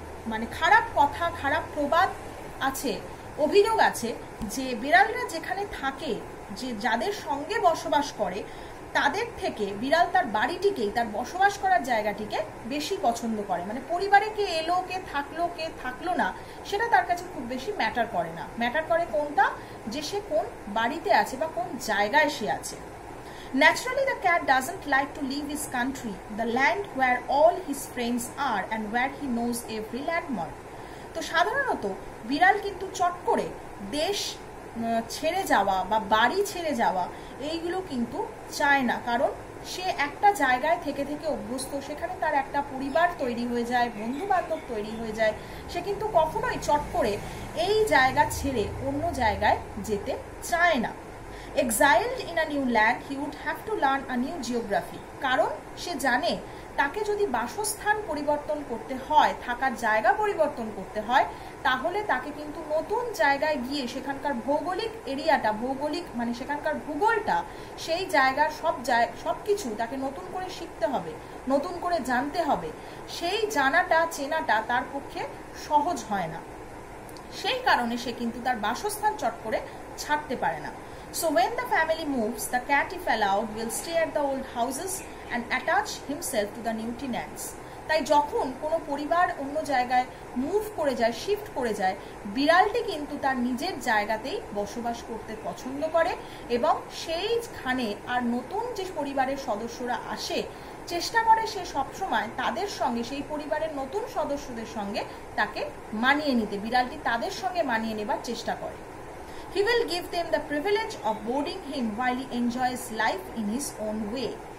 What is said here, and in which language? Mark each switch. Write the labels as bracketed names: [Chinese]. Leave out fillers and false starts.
[Bangla] মানে খারাপ কথা, খারাপ প্রবাদ আছে, অভিযোগ আছে যে বিড়ালরা যেখানে থাকে, যে যাদের সঙ্গে বসবাস করে, তাদের থেকে বিড়াল তার বাড়িটিকেই, তার বসবাস করার জায়গাটিকে বেশি পছন্দ করে। মানে পরিবারে কে এলো, কে থাকলো, কে থাকলো না, সেটা তার কাছে খুব বেশি ম্যাটার করে না। ম্যাটার করে কোনটা, যে সে কোন বাড়িতে আছে বা কোন জায়গায় সে আছে। [English] Naturally, the cat doesn't like to leave his country, the land where all his friends are and where he knows every landmark. [Bangla] তো সাধারণত বিড়াল কিন্তু চট করে দেশ ছেড়ে যাওয়া বা বাড়ি ছেড়ে যাওয়া এইগুলো কিন্তু চায় না, কারণ সে একটা জায়গায় থেকে থেকে অভ্যস্ত, সেখানে তার একটা পরিবার তৈরি হয়ে যায়, বন্ধুবান্ধব তৈরি হয়ে যায়, সে কিন্তু কখনোই চট করে এই জায়গা ছেড়ে অন্য জায়গায় যেতে চায় না। [English] Exiled in a new land, he would have to learn a new geography. [Bangla] কারণ সে জানে তাকে যদি বাসস্থান পরিবর্তন করতে হয়, থাকার জায়গা পরিবর্তন করতে হয়, তাহলে তাকে কিন্তু নতুন জায়গায় গিয়ে সেখানকার ভৌগোলিক এরিয়াটা, ভৌগোলিক মানে সেখানকার ভূগোলটা, সেই জায়গার সব সব কিছু তাকে নতুন করে শিখতে হবে, নতুন করে জানতে হবে। সেই জানাটা, চেনাটা তার পক্ষে সহজ হয় না, সেই কারণে সে কিন্তু তার বাসস্থান চট করে ছাড়তে পারে না। [English] So when the family moves, the cat, if allowed, will stay at the old houses and attach himself to the new tenants. [Bangla] তাই যখন কোনো পরিবার অন্য জায়গায় মুভ করে যায়, শিফট করে যায়, বিড়ালটি কিন্তু তার নিজের জায়গাতেই বসবাস করতে পছন্দ করে এবং সেইখানে আর নতুন যে পরিবারের সদস্যরা আসে, চেষ্টা করে সে সবসময় তাদের সঙ্গে, সেই পরিবারের নতুন সদস্যদের সঙ্গে তাকে মানিয়ে নিতে, বিড়ালটি তাদের সঙ্গে মানিয়ে নেবার চেষ্টা করে। [English] He will give them the privilege of boarding him while he enjoys life in his own way.